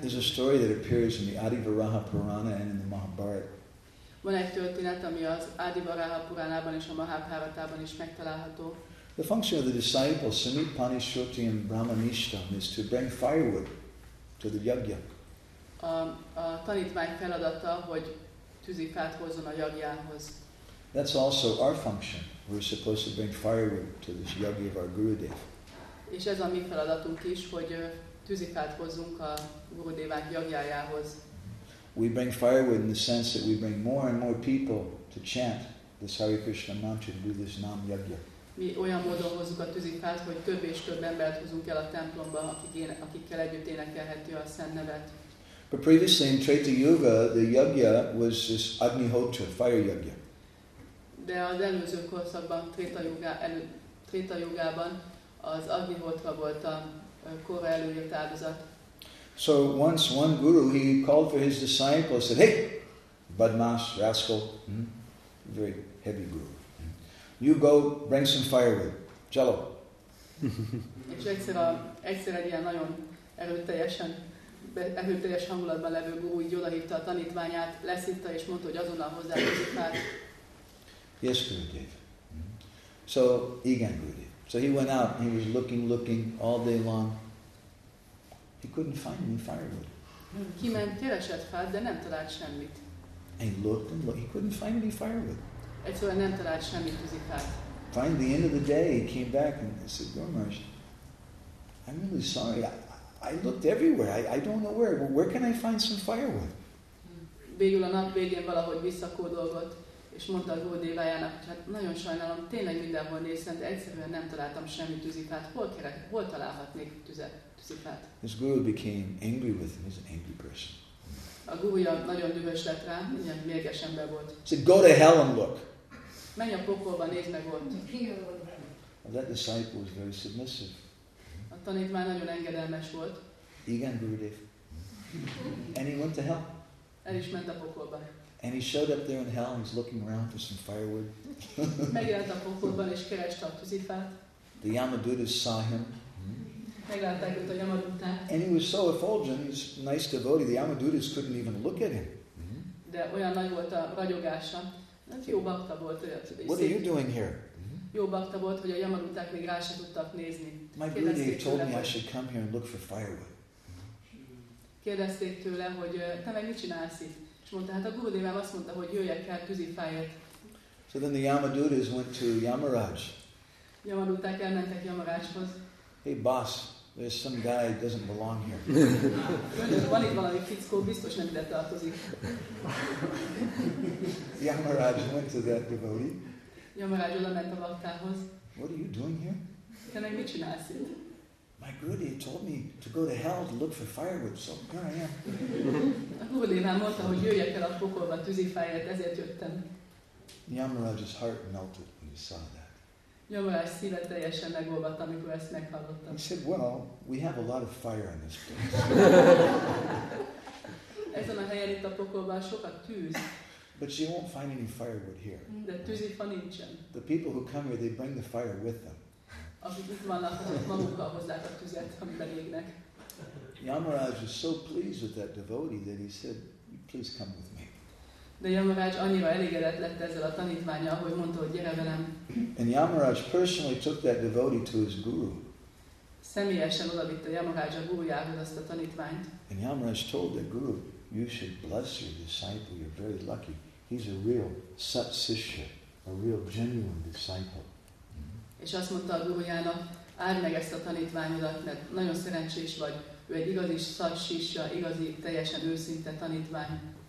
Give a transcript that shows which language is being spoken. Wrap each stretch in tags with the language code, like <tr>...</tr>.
<en>There's a story that appears in the Adivaraha Purana and in the Mahabharata.</en> <hu>Van egy történet, ami az Adivaraha Puranában és a Mahabharatában is megtalálható.</hu> <en>The function of the disciples, Samipani, Shruti and Brahmanishtam, is to bring firewood to the yagya.</en> <hu>A tanítvány feladata, hogy tűzifát hozzon a yagyához.</hu> <en>That's also our function. We're supposed to bring firewood to this yagya of our Gurudev.</en> <hu>És ez a mi feladatunk is, hogy tűzifát hozzunk a Gurudevánk yagyájához.</hu> <en>We bring firewood in the sense that we bring more and more people to chant this Hare Krishna mantra to do this nam yagya.</en> <hu>Mi olyan módon hozzuk a tűzifát, hogy több és több embert hozunk el a templomba, akikkel együtt énekelheti a szent nevet.</hu> <en>But previously in Treta Yuga, the yagya was this Agnihotra, fire yagya.</en> <hu>De az előző korszakban, Treta Yugában, az Agnihotra volt a kora előírt áldozat.</hu> <en>So once one guru, he called for his disciples, said, "Hey, badmash, rascal, very heavy guru, you go bring some firewood, jello."</en> <hu>És egyszer egy ilyen nagyon erőteljesen erőteljes hangulatban levő gurú így odahívta a tanítványát, leszitta és mondta, hogy azonnal hozzá tűzifát.</hu> <en>Yes, Gurudev. So,</en> <hu>igen, Gurudev.</hu> <en>So he went out, he was looking all day long. He couldn't find any firewood.</en> <hu>Kiment, keresett fát, de nem talált semmit.</hu> <en>And looked, he couldn't find any firewood.</en> <hu>Egyszerűen nem talált semmi tűzifát.</hu> <en>Finally, the end of the day, he came back and I said, "Gurumarsh, I'm really sorry, I looked everywhere. I don't know where. But where can I find some firewood?"</en> <hu>Végül a nap végén valahogy visszakódolgott, és mondta a Gurudevájának, hogy hát nagyon sajnálom, tényleg mindenhol néztem, de egyszerűen nem találtam semmi tűzifát. Hol találhatnék tűzifát?</hu> <en>His guru became angry with him. He's an angry person.</en> <hu>A gurúja nagyon dühös lett rá, ilyen mérges ember volt.</hu> <en>Said, "Go to hell and look."</en> <hu>Menj a pokolba, nézd meg ott.</hu> <en>That disciple was very submissive.</en> <hu>tanítvány nagyon engedelmes volt. Igen, Gurudev.</hu> <en>And he went to hell.</en> <hu>El is ment a pokolba.</hu> <en>And he showed up there in hell and he's looking around for some firewood.</en> <hu>Megjelent a pokolban és kereste a tűzifát.</hu> <en>The Yamadutas saw him.</en> <hu>Meglátták őt a Yamadutát.</hu> <en>And he was so effulgent, he's nice devotee, the Yamadutas couldn't even look at him.</en> <hu>De olyan nagy volt a ragyogása. Jó bakta volt, hogy a tűzifát.</hu> <en>What are you doing here?</en> <hu>Jó bakta volt, hogy a Yamaduták még rá se tudtak nézni.</hu> <en>My Gurudev told me I should come here and look for firewood.</en> <hu>Kérdezték tőle, hogy te meg mit csinálsz itt? És mondta, hát a Gurudevám azt mondta, hogy jöjjek el tűzifáért.</hu> <en>So then the Yamadutas went to Yamaraj.</en> <hu>Yamaduták elmentek Yamarajhoz.</hu> <en>Hey boss, there's some guy who doesn't belong here.</en> <hu>Van itt valami fickó, biztos nem ide tartozik.</hu> <en>Yamaraj went to that devotee.</en> <hu>Yamaraj oda ment a baktához.</hu> <en>What are you doing here?</en> <hu>Te meg mit csinálsz itt?</hu> <en>My Gurudev told me to go to hell to look for firewood, so here I am.</en> <hu>Gurudevám mondta, hogy jöjjek el a pokolba tűzifáért, ezért jöttem.</hu> <en>Yamaraj's heart melted when he saw that.</en> <hu>Yamaraj szíve teljesen megolvadt, amikor ezt meghallottam.</hu> <en>He said, well, we have a lot of fire in this place.</en> <hu>Ezen a helyen itt a pokolban sokat tűz.</hu> <en>But you won't find any firewood here.</en> <hu>De tűzifa nincsen.</hu> <en>The people who come here, they bring the fire with them.</en> <hu>Akik itt vannak, azok magukkal hozzák a tüzet, amiben égnek.</hu> <en>Yamaraj was so pleased with that devotee that he said, please come with me.</en> <hu>De Yamaraj annyira elégedett lett ezzel a tanítványa, hogy mondta, hogy gyere velem.</hu> <en>And Yamaraj personally took that devotee to his guru.</en> <hu>Személyesen odavitte Yamaraj a gurujához azt a tanítványt.</hu> <en>And Yamaraj told the guru, you should bless your disciple, you're very lucky. He's a real satsishya, a real genuine disciple.</en> <hu>És azt mondta a gurujának, áld meg ezt a tanítványodat, mert nagyon szerencsés vagy. Ő egy igazi satsishya, igazi, teljesen őszinte tanítvány.</hu>